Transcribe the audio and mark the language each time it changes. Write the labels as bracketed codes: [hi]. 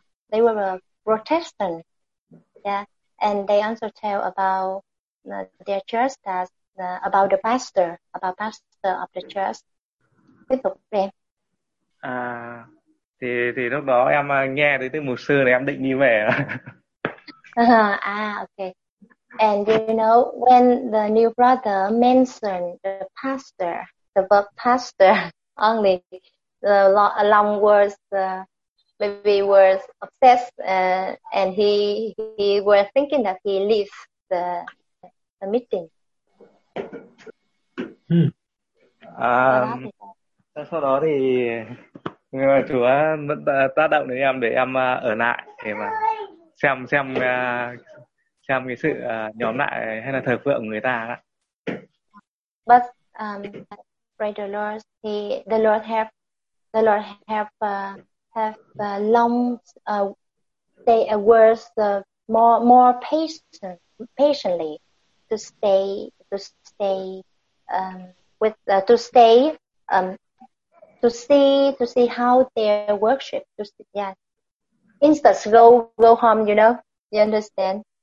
[en] They were Protestant. Yeah. And they also tell about their church, that about the pastor of the church. [vi] Tiếp tục về. Thì lúc đó em nghe thấy từ mục sư thì em định đi về. [en] Okay. And you know when the new brother mentioned the pastor, the word pastor only, the long words baby was obsessed and he was thinking that he leaves the meeting. [vi] Sau đó thì Chúa vẫn tác động đến em để em ở lại để mà xem cái sự nhóm lại hay là thờ phượng của người ta đó. [en] But pray the Lord, the Lord have long stay more patiently to see how their worship just instead go home, you know, you understand.